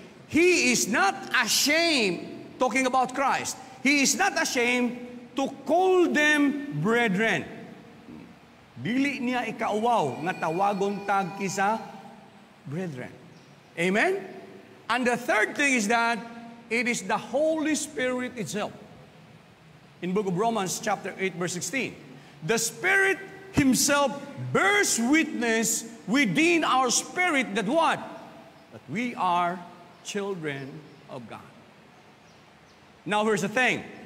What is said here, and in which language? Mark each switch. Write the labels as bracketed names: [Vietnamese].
[English] He is not ashamed, talking about Christ, He is not ashamed to call them brethren. [Cebuano] Dili niya ikauwaw nga tawagon tag kisa brethren. [English] Amen? And the third thing is that it is the Holy Spirit itself. In book of Romans chapter 8 verse 16. The Spirit Himself bears witness within our spirit that what? That we are children of God. Now here's the thing.